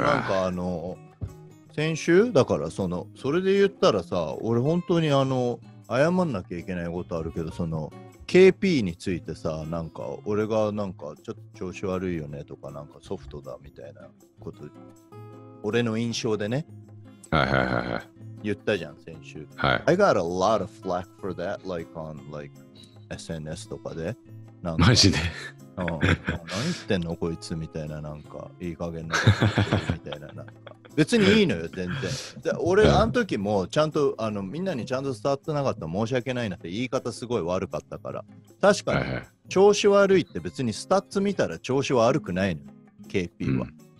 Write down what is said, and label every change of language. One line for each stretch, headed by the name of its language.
Japanese: なんか先週だから、それで言ったらさ、俺本当に謝んなきゃいけないことあるけど、そのKP についてさ、なんか俺がなんかちょっと調子悪いよねとか、なんかソフトだみたいなこと、俺の印象でね、はいはいはいはい、言ったじゃん先週。はい、
English: I got a lot of flack for that, like on like SNS
Japanese: とかで、なんかマジで、うん、何言ってんのこいつみたいな、なんかいい加減なみたいな、なんか別にいいのよ全然。で俺あの時もちゃんとみんなにちゃんと伝わってなかったら申し訳ないなって言い方すごい悪かったから、確かに調子悪いって別にスタッツ見たら調子は悪くないの KP は、うん、